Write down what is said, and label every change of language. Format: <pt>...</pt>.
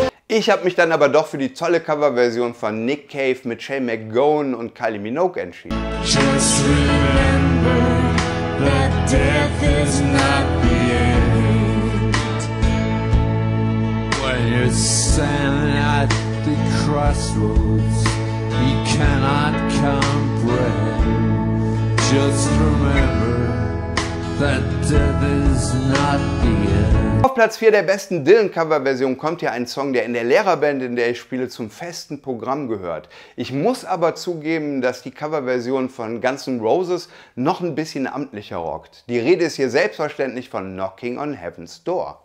<de>Ich habe mich dann aber doch für die tolle Coverversion von Nick Cave mit Shane McGowan und Kylie Minogue entschieden.</de> <en>Just remember that death is not the end. When you're standing at the crossroads, you cannot comprehend. Just remember that death is not the end.</en> <de>Auf Platz 4 der besten Dylan-Cover-Version kommt hier ein Song, der in der Lehrerband, in der ich spiele, zum festen Programm gehört. Ich muss aber zugeben, dass die Cover-Version von Guns N' Roses noch ein bisschen amtlicher rockt. Die Rede ist hier selbstverständlich von Knocking on Heaven's Door.</de>